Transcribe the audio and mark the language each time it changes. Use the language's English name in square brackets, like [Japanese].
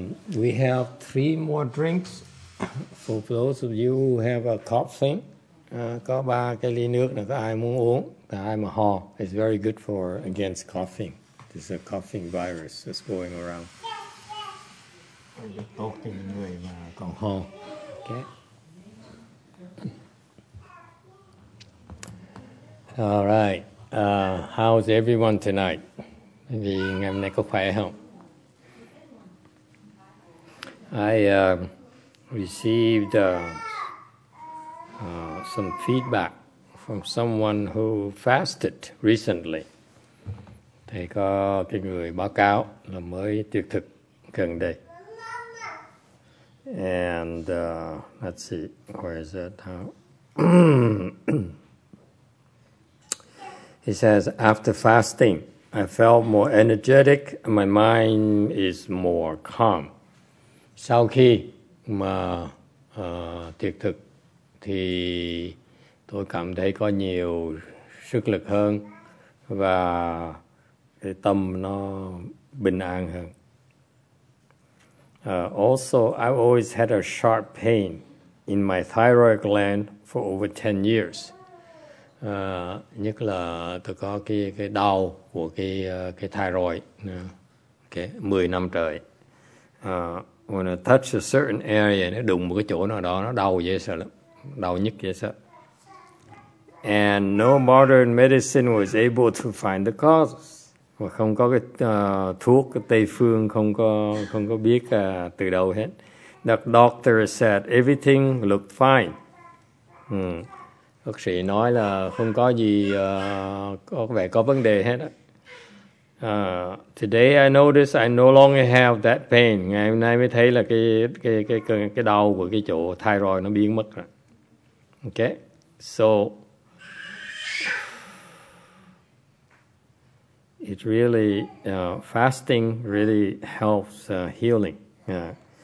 [English] We have three more drinks for those of you who have a coughing. [Vietnamese] Có ba cái ly nước là có ai muốn uống, có ai mà ho. [English] It's very good for against coughing. This is a coughing virus that's going around. [Vietnamese] Tốt cho những người mà còn ho. [English] Okay. All right. How's everyone tonight? Maybe [Vietnamese] ngày nay có khỏe không? [English] I received some feedback from someone who fasted recently. [Vietnamese] Thầy có cái người báo cáo là mới tuyệt thực gần đây. [English] And let's see, where is it? How? He says, after fasting, I felt more energetic and my mind is more calm. [Vietnamese] Sau khi mà tuyệt thực thì tôi cảm thấy có nhiều sức lực hơn và cái tâm nó bình an hơn. [English] Also, I've always had a sharp pain in my thyroid gland for over 10 years. [Vietnamese] Nhất là tôi có cái đau của cái thyroid okay, 10 năm trời. [English] When I touch a certain area, [Vietnamese] nó đụng một cái chỗ nào đó, nó đau dễ sợ lắm. Đau nhất dễ sợ. [English] And no modern medicine was able to find the causes. [Vietnamese] Và không có cái thuốc cái Tây phương, không có biết từ đâu hết. [English] The doctor said everything looked fine. [Vietnamese] Bác sĩ nói là không có gì có vẻ có vấn đề hết á. [English] Today I notice I no longer have that pain. [Vietnamese] Ngày hôm nay mới thấy là cái đau của cái chỗ thyroid nó biến mất rồi. [English] Okay. So it really fasting really helps healing. Yeah.